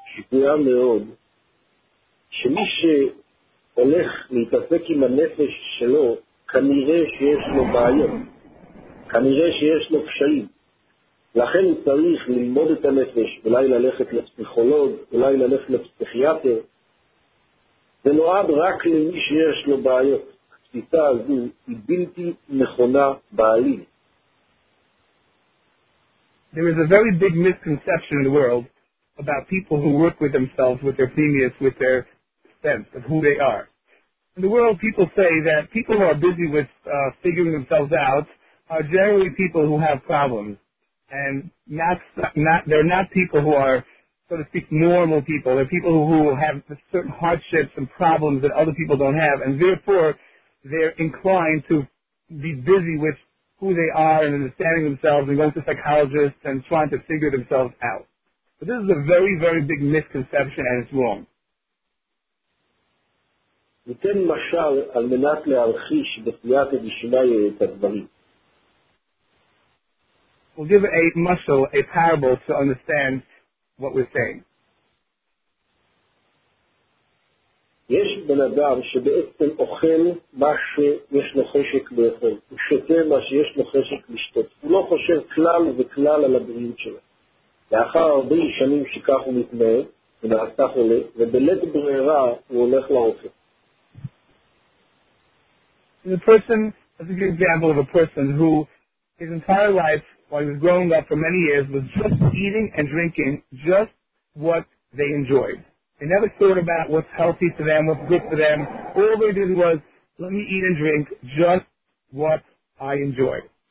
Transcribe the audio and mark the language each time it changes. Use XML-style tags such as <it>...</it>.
<he>שמי שהולך להתעסק עם הנפש שלו, כנראה שיש לו בעיות, כנראה שיש לו קשיים. לכן הוא צריך ללמוד את הנפש, אולי ללכת לפסיכולוג, אולי ללכת לפסיכיאטר, ונועד רק למי שיש לו בעיות. התפיסה הזו היא בלתי נכונה בעליל.</he> <en>There is a very big misconception in the world about people who work with themselves, with their penis, with their sense of who they are. In the world, people say that people who are busy with figuring themselves out are generally people who have problems, and they're not people who are, so to speak, normal people. They're people who have certain hardships and problems that other people don't have, and therefore they're inclined to be busy with who they are and understanding themselves and going to psychologists and trying to figure themselves out. But this is a very, very big misconception, and it's wrong.</en> <he>ניתן משל על מנת להרחיש בסייעתא דשמיא את הדברים.</he> <en>We'll give a muscle, a parable, to understand what we're saying.</en> <he>יש בן אדם שבעצם אוכל מה שיש לו חשק לאכול. הוא שותה מה שיש לו חשק לשתות. הוא לא חושב כלל וכלל על הבריאות שלו. לאחר הרבה שנים שכך הוא מתנהג, הוא נעשה חולה, ובלית ברירה הוא הולך לרופא.</he> <en>The person, as a good example of a person who his entire life, while he was growing up for many years, was just eating and drinking just what they enjoyed. They never thought about what's healthy for them, what's good for them. All they did was, let me eat and drink just what I enjoyed.</en>